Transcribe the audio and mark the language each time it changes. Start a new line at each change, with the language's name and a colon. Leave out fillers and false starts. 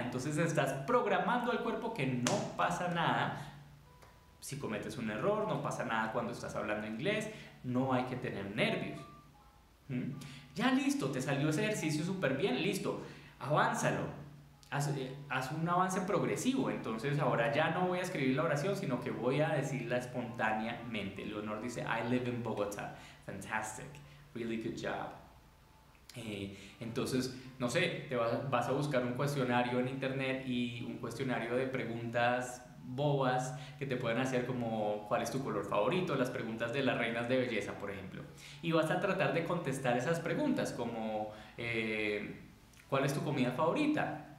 Spanish: Entonces estás programando al cuerpo que no pasa nada si cometes un error, no pasa nada cuando estás hablando inglés, no hay que tener nervios. Ya listo, te salió ese ejercicio súper bien, listo, avánzalo. Haz un avance progresivo. Entonces ahora ya no voy a escribir la oración, sino que voy a decirla espontáneamente.
English: Leonor
Spanish: dice,
English: I live in Bogotá. Fantastic, really good job.
Spanish: Entonces, no sé, te vas a buscar un cuestionario en internet y un cuestionario de preguntas bobas que te pueden hacer, como ¿cuál es tu color favorito?, las preguntas de las reinas de belleza, por ejemplo, y vas a tratar de contestar esas preguntas como ¿cuál es tu comida favorita?